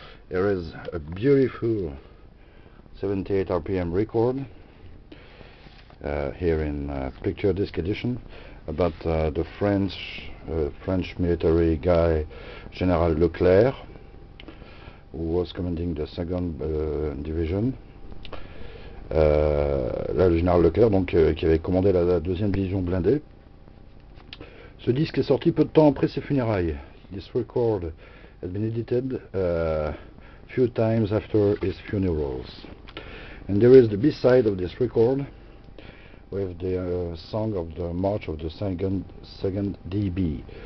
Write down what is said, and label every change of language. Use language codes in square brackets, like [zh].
[en] There is a beautiful 78 RPM record here in picture disc edition about the French military guy General Leclerc, who was commanding the 2nd division. [fr] Là, le général Leclerc, donc, qui avait commandé la 2e division blindée. Ce disque est sorti peu de temps après ses funérailles. [en] This record has been edited few times after his funerals. And there is the B-side of this record with the song of the march of the 2nd DB.